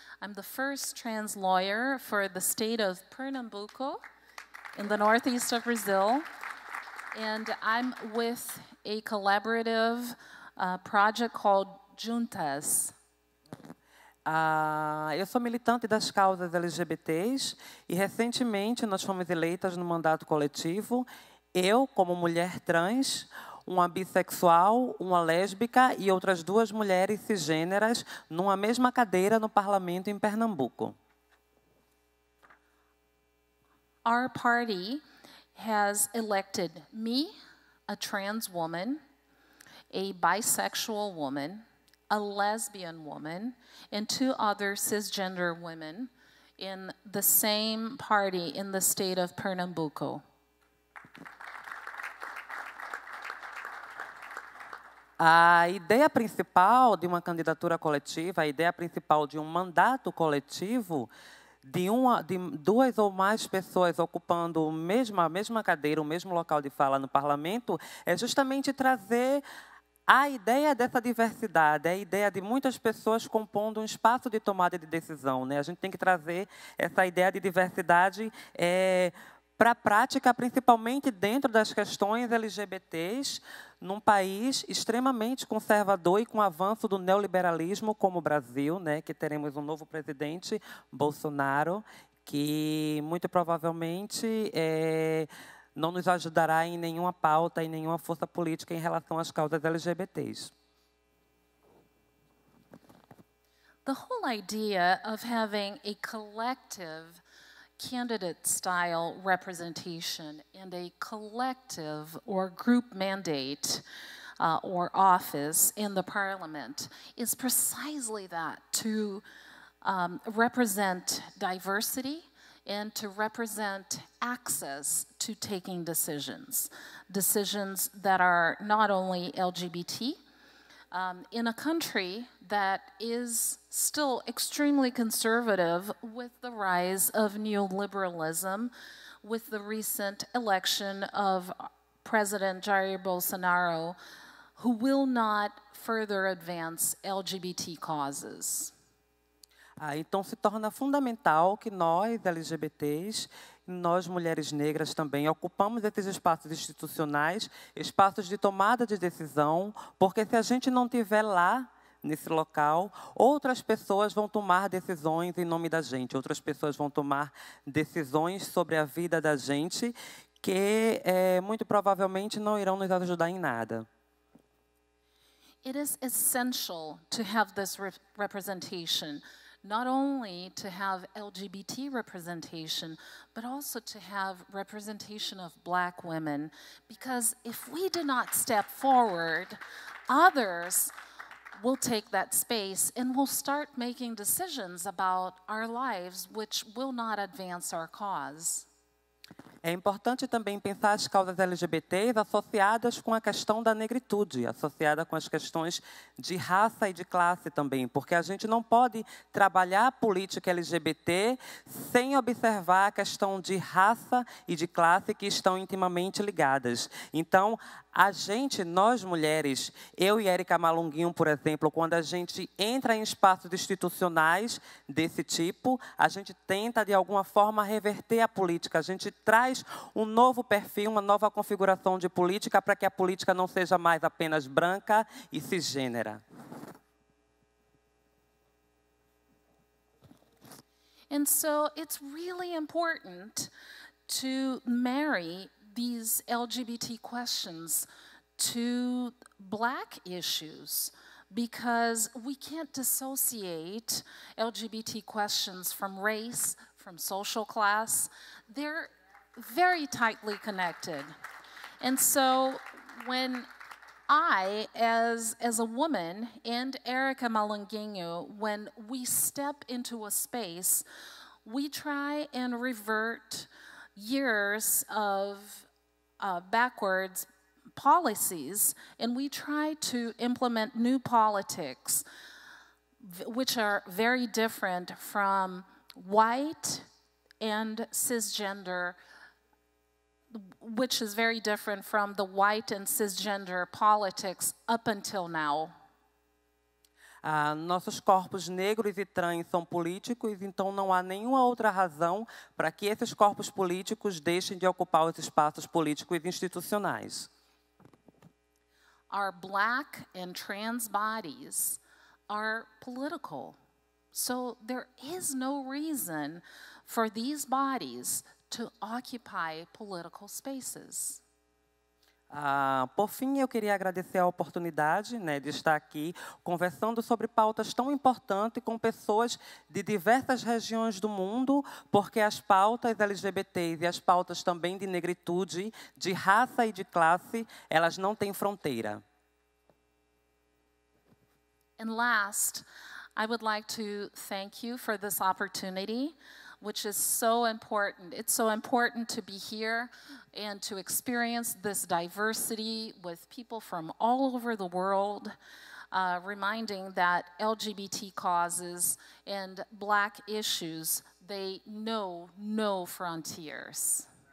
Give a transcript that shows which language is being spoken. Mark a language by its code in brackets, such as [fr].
[en] I'm the first trans lawyer for the state of Pernambuco in the northeast of Brazil. And I'm with a collaborative project called Juntas. [pt] Eu sou militante das causas LGBTs e recentemente nós fomos eleitas no mandato coletivo, eu como mulher trans, uma bissexual, uma lésbica e outras duas mulheres cisgêneras numa mesma cadeira no parlamento em Pernambuco. [en] Our party has elected me, a trans woman, a bisexual woman, a lesbian woman, and two other cisgender women in the same party in the state of Pernambuco. [pt] A ideia principal de uma candidatura coletiva, a ideia principal de um mandato coletivo, de duas ou mais pessoas ocupando a mesma cadeira, o mesmo local de fala no parlamento, é justamente trazer a ideia dessa diversidade, a ideia de muitas pessoas compondo um espaço de tomada de decisão, né? A gente tem que trazer essa ideia de diversidade para a prática, principalmente dentro das questões LGBTs, num país extremamente conservador e com avanço do neoliberalismo, como o Brasil, né, que teremos um novo presidente, Bolsonaro, que muito provavelmente não nos ajudará em nenhuma pauta, em nenhuma força política em relação às causas LGBTs. [en] The whole idea of having a collective candidate style representation and a collective or group mandate or office in the parliament is precisely that, to represent diversity and to represent access to taking decisions, decisions that are not only LGBT, in a country that is still extremely conservative with the rise of neoliberalism, with the recent election of President Jair Bolsonaro, who will not further advance LGBT causes. [pt] Então se torna fundamental que nós, LGBTs, nós, mulheres negras, também ocupamos esses espaços institucionais, espaços de tomada de decisão, porque se a gente não tiver lá, nesse local, outras pessoas vão tomar decisões em nome da gente, outras pessoas vão tomar decisões sobre a vida da gente, que muito provavelmente não irão nos ajudar em nada. [en] It is essential to have this representation. Not only to have LGBT representation, but also to have representation of black women. Because if we do not step forward, others will take that space and will start making decisions about our lives, which will not advance our cause. [pt] É importante também pensar as causas LGBTs associadas com a questão da negritude, associada com as questões de raça e de classe também, porque a gente não pode trabalhar a política LGBT sem observar a questão de raça e de classe que estão intimamente ligadas. Então, a gente, nós mulheres, eu e Érica Malunguinho, por exemplo, quando a gente entra em espaços institucionais desse tipo, a gente tenta, de alguma forma, reverter a política. A gente traz um novo perfil, uma nova configuração de política para que a política não seja mais apenas branca e cisgênera. [en] And so it's really important to marry these LGBT questions to black issues, because we can't dissociate LGBT questions from race, from social class. They're very tightly connected. And so when I, as a woman, and Érica Malunguinho, when we step into a space, we try and revert years of backwards policies, and we try to implement new politics, which are very different from white and cisgender, which is very different from the white and cisgender politics up until now. [pt] Nossos corpos negros e trans são políticos, então não há nenhuma outra razão para que esses corpos políticos deixem de ocupar os espaços políticos e institucionais. [en] Our black and trans bodies are political. So there is no reason for these bodies to occupy political spaces. [pt] Por fim, eu queria agradecer a oportunidade, né, de estar aqui conversando sobre pautas tão importantes com pessoas de diversas regiões do mundo, porque as pautas LGBTs e as pautas também de negritude, de raça e de classe, elas não têm fronteira. [en] And last, I would like to thank you for this opportunity, which is so important. It's so important to be here and to experience this diversity with people from all over the world, reminding that LGBT causes and black issues, they know no frontiers.